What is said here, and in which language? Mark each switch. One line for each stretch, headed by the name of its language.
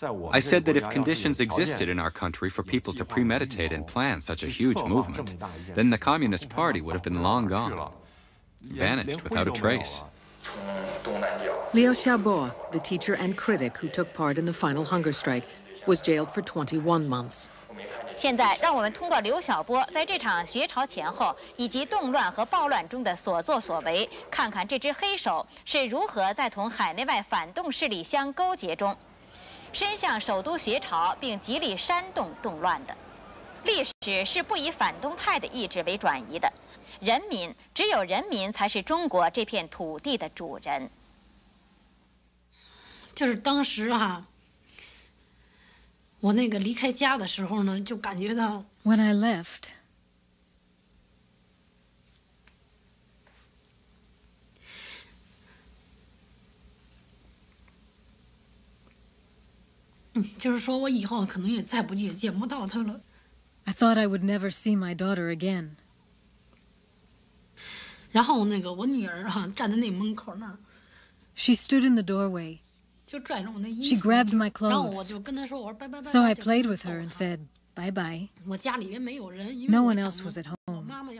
English: I said that if conditions existed in our country for people to premeditate and plan such a huge movement, then the Communist Party would have been long gone, vanished without a trace. Liu Xiaobo, the teacher and critic who took part in the final hunger strike,was jailed for 21 months.
Chinese: 现在让我们通过刘晓波在这场学潮前后以及动乱和暴乱中的所作所为，看看这只黑手是如何在同海内外反动势力相勾结中，伸向首都学潮并极力煽动动乱的。历史是不以反动派的意志为转移的，人民，只有人民才是中国这片土地的主人。就是当时啊。我那个离开家的时候呢，就感觉到。
English: When I left, I thought I would never see my daughter again.
Chinese: 然后那个我女儿哈站在那门口那儿。
English: She stood in the doorway. She grabbed my clothes. So I played with her and said, bye bye. No one else was at home.